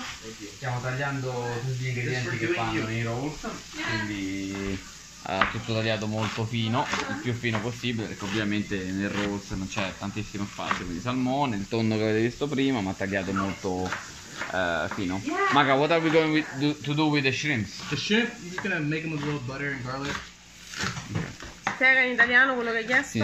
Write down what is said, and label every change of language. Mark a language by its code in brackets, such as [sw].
[it] Stiamo tagliando tutti gli ingredienti che fanno i rolls, quindi tutto tagliato molto fino, il più fino possibile, perché ovviamente nel rolls non c'è tantissimo spazio, quindi salmone, il tonno che avete visto prima, ma tagliato molto fino. [en] Maga, what are we going to do with the shrimps? The shrimp, you're just gonna make them with a little butter and garlic. [it] Spiega in italiano quello che hai chiesto.